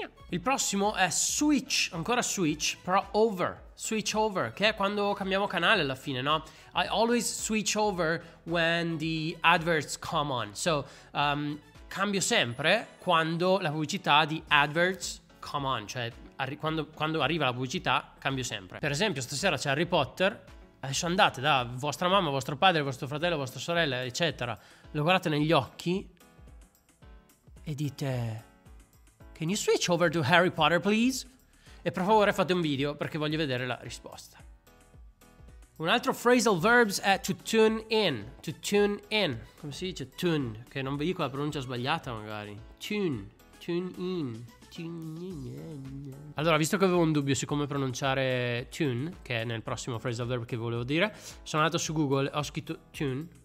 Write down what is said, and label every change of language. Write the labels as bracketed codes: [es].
[it] Il prossimo è switch, ancora switch, però over. Switch over, che è quando cambiamo canale alla fine, no? [en] I always switch over when the adverts come on. [it] So, cambio sempre quando la pubblicità di [en] adverts come on. [it] Cioè, quando arriva la pubblicità, cambio sempre. Per esempio, stasera c'è Harry Potter. Adesso andate da vostra mamma, vostro padre, vostro fratello, vostra sorella, eccetera. Lo guardate negli occhi e dite... [en] Can you switch over to Harry Potter, please? [it] E per favore fate un video, perché voglio vedere la risposta. Un altro phrasal verbs è to tune in. To tune in. Come si dice tune? Che non vi dico la pronuncia sbagliata, magari. Tune. Tune in. Tune in. Allora, visto che avevo un dubbio su come pronunciare tune, che è nel prossimo phrasal verb che volevo dire, sono andato su Google, ho scritto tune.